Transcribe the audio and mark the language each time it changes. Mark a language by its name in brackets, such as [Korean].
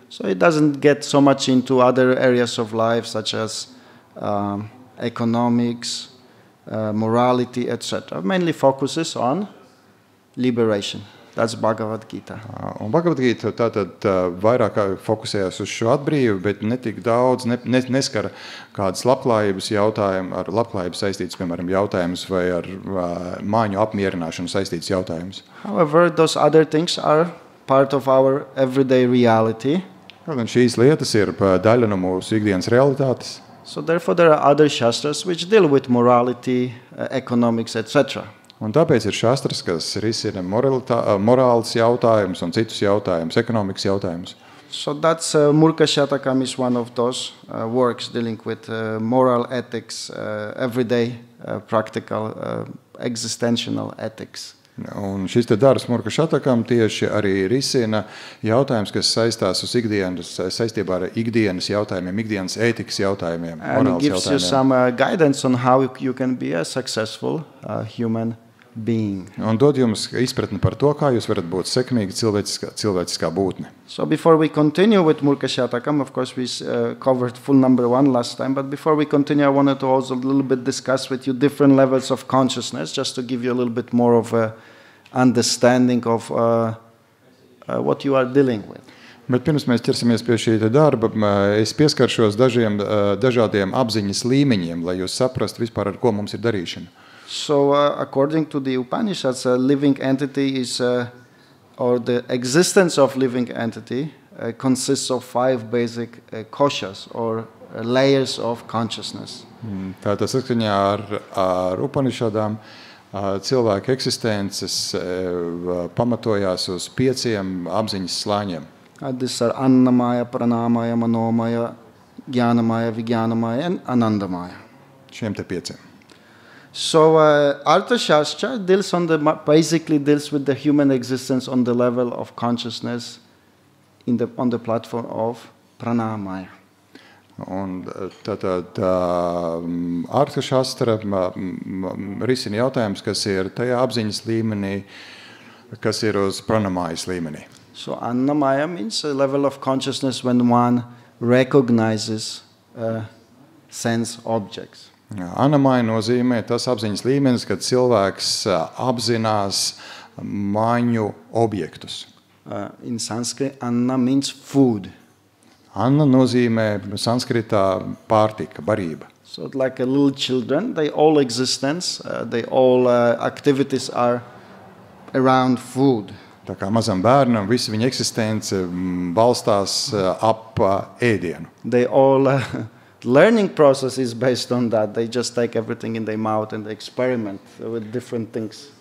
[English] So it doesn't get so much into other areas of life such as economics, morality, etc. Mainly focuses on liberation. That's Bhagavad Gita. [Latvian] Un Bhagavad Gita tātad vairāk fokusējās uz šo atbrīvu, bet netik daudz neskara kādas labklājības jautājumu, ar labklājības saistītas, piemēram, jautājumus vai ar māņu apmierināšanu saistītas jautājumus. [English] However, those other things are part of our everyday reality. [Latvian] Un šīs lietas ir daļa no mūsu ikdienas realitātes. [English] So therefore there are other shastras which deal with morality, economics, etc. [Latvian] Un tāpēc ir šastras, kas risina morāls jautājums un citus jautājumus, ekonomikas jautājumus. [English] So that's Murka Shatakam is one of those works dealing with moral ethics, everyday practical existential ethics. [Latvian] Un šis te darbs Murka Shatakam tieši arī risina jautājums, kas saistās uz ikdienas, saistībā ar ikdienas jautājumiem, ikdienas ētikas jautājumiem, morāls jautājumiem. [English] And it gives you some guidance on how you can be a successful human being. [Latvian] Un dod jums izpratni par to, kā jūs varat būt sekmīga cilvēciskā būtne. [English] So before we continue with Murka Shatakam, of course we covered full number one last time, but before we continue I wanted to also a little bit discuss with you different levels of consciousness, just to give you a little bit more of a understanding of what you are dealing with. [Latvian] Bet pirms mēs ķersimies pie šī darba, es pieskaršos dažādiem apziņas līmeņiem, lai jūs saprastu vispār, ar ko mums ir darīšana. [English] So according to the Upanishads, a living entity is, or the existence of living entity consists of five basic koshas or layers of consciousness. [Latvian] Tātad saskaņā ar Upanishadām cilvēka eksistences pamatojās uz pieciem apziņas slāņiem. [English] These are annamaya, pranamaya, manomaya, jnanamaya, vijnanamaya and anandamaya. [Latvian] Šiem te pieciem. [English] So Arthashastra deals on the basically deals with the human existence on the level of consciousness on the platform of pranamaya. [Latvian] Un tātad ārkārtšastra risina jautājums, kas ir tajā apziņas līmenī, kas ir uz pranamājas līmenī. [English] So annamaya means a level of consciousness when one recognizes sense objects. [Latvian] Annamaya nozīmē tas apziņas līmenis, kad cilvēks apzinās maņu objektus. [English] In Sanskrit, anna means food. [Latvian] Anna nozīmē sanskritā pārtika, barība. [English] So like a little children, they all existence, they all activities are around food. [Latvian] Tā kā mazam bērnam visa viņa eksistence balstās ap ēdienu. [English] They all learning process is based on that. They just take everything in their mouth and they experiment with different things.